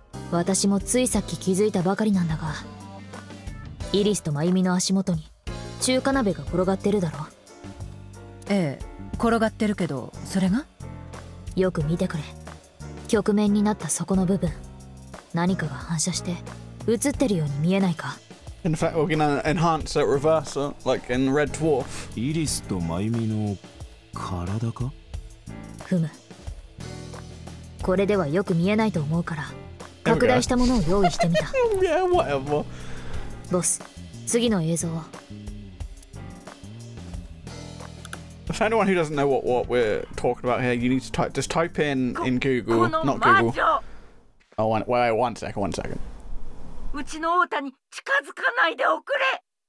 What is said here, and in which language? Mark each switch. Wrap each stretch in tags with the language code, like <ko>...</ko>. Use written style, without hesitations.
<ja>私もついさっき気づいたばかりなんだが、イリスとマユミの足元に中華鍋が転がってるだろう。ええ、転がってるけど、それが? よく見てくれ。局面になったそこの部分、何かが反射して映ってるように見えないか。</ja> <en>In fact, we're gonna enhance that reverse, like in Red Dwarf.</en> <ja>イリスとマユミの体か? ふむ。これではよく見えないと思うから、拡大したものを用意してみた。</ja> <en>yeah, whatever.</en> <ja>ボス、次の映像は。</ja> <en>If anyone who doesn't know what we're talking about here, you need to type, just type in Google, not Google. Oh, one second.</en> <ja>うちの太田に近づかないでおくれ。</ja>